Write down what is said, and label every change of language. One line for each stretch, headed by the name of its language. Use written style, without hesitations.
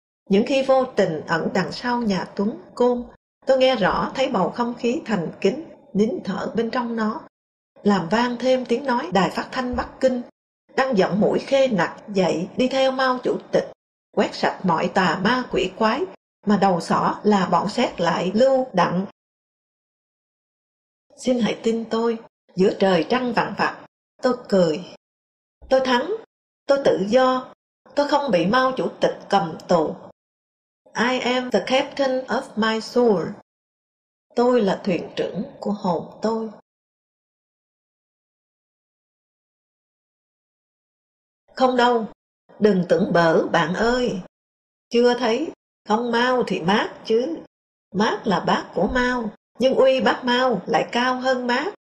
Vietnamese: Những khi vô tình ẩn đằng sau nhà Tuấn Côn, tôi nghe rõ thấy bầu không khí thành kính, nín thở bên trong nó, làm vang thêm tiếng nói đài phát thanh Bắc Kinh, đang giọng mũi khê nặc dậy đi theo Mao Chủ tịch, quét sạch mọi tà ma quỷ quái, mà đầu xỏ là bọn xét lại Lưu Đặng. Xin hãy tin tôi, giữa trời trăng vằn vặc, tôi cười. Tôi thắng, tôi tự do, tôi không bị Mao Chủ tịch cầm tù.
English: I am the captain of my soul.
Vietnamese: Tôi là thuyền trưởng của hồn tôi. Không đâu, đừng tưởng bở bạn ơi. Chưa thấy, không Mao thì Mác chứ. Mác là bác của Mao, nhưng uy bác Mao lại cao hơn Mác.